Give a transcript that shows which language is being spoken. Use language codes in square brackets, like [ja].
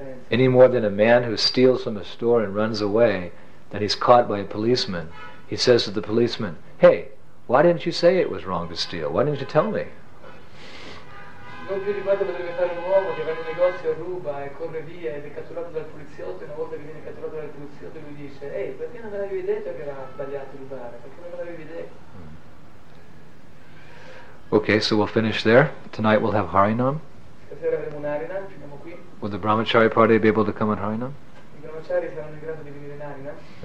[en] Any more than a man who steals from a store and runs away, then he's caught by a policeman. He says to the policeman, "Hey, why didn't you say it was wrong to steal? Why didn't you tell me?" [it] Non più di quanto potrebbe fare un uomo che va in un negozio, ruba e corre via ed è catturato dal poliziotto, e una volta che viene catturato dal poliziotto lui dice: "Ehi, perché non me l'avevi detto che era sbagliato rubare? Perché non me l'avevi detto?" [en] Okay, so we'll finish there. Tonight we'll have Harinam. [it] Stasera avremo un Harinam, finiamo qui. [en] Will the Brahmachari party be able to come at Harinam? [it] I Brahmachari saranno in grado di venire in Harinam?